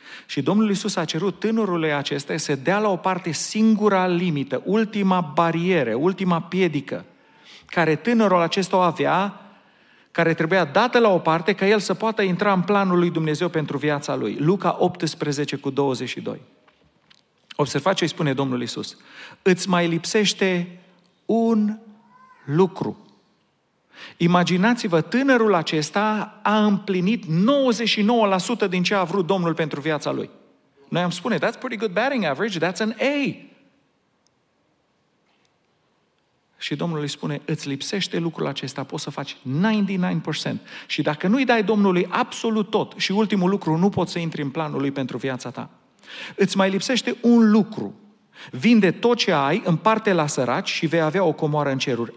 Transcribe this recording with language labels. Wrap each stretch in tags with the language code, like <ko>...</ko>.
<ro>Și Domnul Iisus a cerut tânărului acesta să dea la o parte singura limită, ultima bariere, ultima piedică care tânărul acesta o avea, care trebuia dată la o parte ca el să poată intra în planul lui Dumnezeu pentru viața lui. Luca 18:22. Observați ce îi spune Domnul Iisus. Îți mai lipsește un lucru. Imaginați-vă, tânărul acesta a împlinit 99% din ce a vrut Domnul pentru viața lui. Noi am spune,</ro> <en>that's pretty good batting average, that's an A.</en> <ro>Și Domnul îi spune, îți lipsește lucrul acesta, poți să faci 99%. Și dacă nu-i dai Domnului absolut tot și ultimul lucru, nu poți să intri în planul lui pentru viața ta. Îți mai lipsește un lucru. Vinde tot ce ai, împarte la săraci și vei avea o comoară în ceruri.</ro>